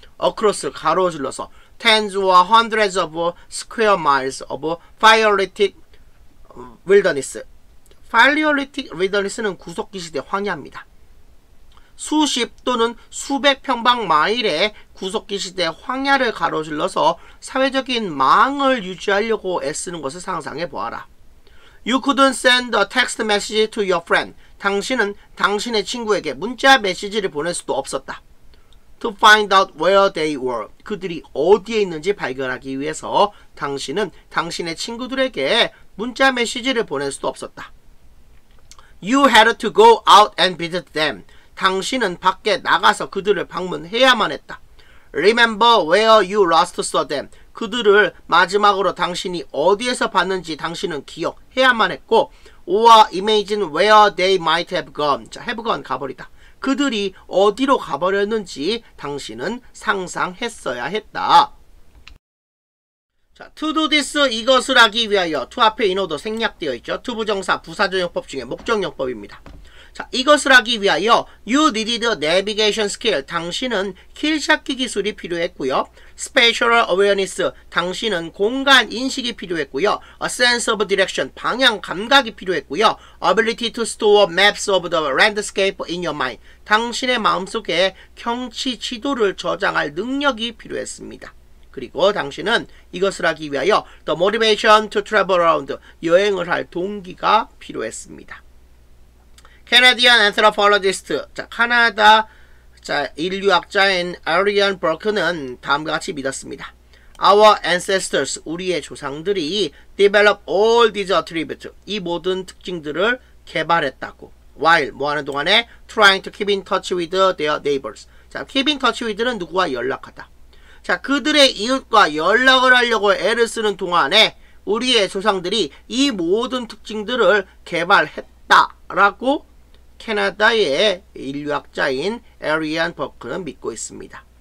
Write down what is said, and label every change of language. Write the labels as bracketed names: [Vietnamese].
[English] Across [Korean] 가로질러서 [English] tens or hundreds of square miles of Paleolithic wilderness. [Korean] Paleolithic wilderness는 구석기 시대 황야입니다. 수십 또는 수백 평방 마일의 구석기 시대 황야를 가로질러서 사회적인 망을 유지하려고 애쓰는 것을 상상해 보아라. [English] You couldn't send a text message to your friend. [Korean] 당신은 당신의 친구에게 문자 메시지를 보낼 수도 없었다. [English] To find out where they were. [Korean] 그들이 어디에 있는지 발견하기 위해서 당신은 당신의 친구들에게 문자 메시지를 보낼 수도 없었다. [English] You had to go out and visit them. [Korean] 당신은 밖에 나가서 그들을 방문해야만 했다. [English] Remember where you last saw them. [Korean] 그들을 마지막으로 당신이 어디에서 봤는지 당신은 기억해야만 했고 [English] or imagine where they might have gone. [Korean] 자, have gone 가버리다. 그들이 어디로 가버렸는지 당신은 상상했어야 했다. 자, [English] to do this, [Korean] 이것을 하기 위하여 to 앞에 인어도 생략되어 있죠. to 부정사 부사전용법 중에 목적용법입니다. 자, 이것을 하기 위하여 [English] you needed navigation skill. [Korean] 당신은 길찾기 기술이 필요했고요. [English] spatial awareness. [Korean] 당신은 공간 인식이 필요했고요. [English] a sense of direction. [Korean] 방향 감각이 필요했고요. [English] ability to store maps of the landscape in your mind. [Korean] 당신의 마음속에 경치 지도를 저장할 능력이 필요했습니다. 그리고 당신은 이것을 하기 위하여 [English] the motivation to travel around. [Korean] 여행을 할 동기가 필요했습니다. [English] Canadian anthropologist, [Korean] 자, 캐나다 자, 인류학자인 Arian Burke는 다음과 같이 믿었습니다. [English] Our ancestors, [Korean] 우리의 조상들이 [English] develop all these attributes, [Korean] 이 모든 특징들을 개발했다고. While, 뭐하는 동안에? [English] Trying to keep in touch with their neighbors. [Korean] 자, keep in touch with는 누구와 연락하다. 자, 그들의 이웃과 연락을 하려고 애를 쓰는 동안에 우리의 조상들이 이 모든 특징들을 개발했다라고 캐나다의 인류학자인 에리안 버크는 믿고 있습니다.